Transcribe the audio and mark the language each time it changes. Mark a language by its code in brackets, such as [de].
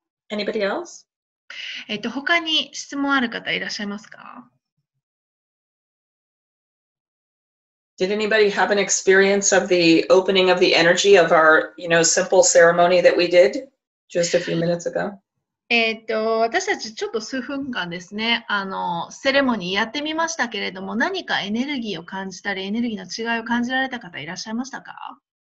[en] Anybody else? [ja] 他に質問ある方いらっしゃいますか? [en] Did anybody have an experience of the opening of the energy of our, you know, simple ceremony that we did just a few minutes ago? [ja] 私たちちょっと数分間ですね、セレモニーやってみましたけれども、何かエネルギーを感じたり、エネルギーの違いを感じられた方いらっしゃいましたか?